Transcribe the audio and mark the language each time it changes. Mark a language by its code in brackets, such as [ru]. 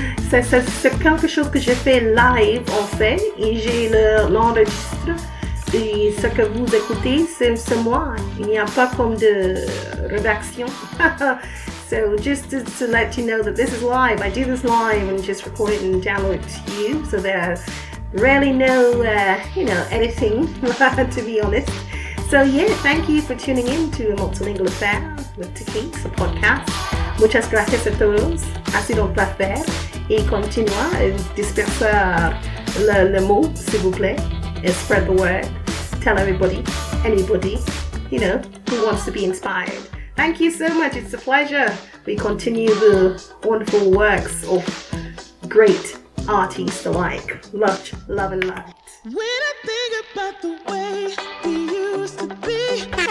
[fr] C'est quelque chose que j'ai fait live en fait et j'ai l'enregistre et ce que vous écoutez c'est moi, il n'y a pas comme de rédaction. [en] So just to let you know that this is live, I do this live and just record it and download it to you, so there's really no you know, editing to be honest. So yeah, thank you for tuning in to Multilingual Affair with Takeyce, a podcast. [es] Muchas gracias a todos. Ha sido un placer. Y continúa a dispersar [fr] le mot, s'il vous plaît. [en] And spread the word. Tell everybody, anybody, you know, who wants to be inspired. Thank you so much. It's a pleasure. We continue the wonderful works of great artists alike. Love, love and light. When I think about the way we used to be,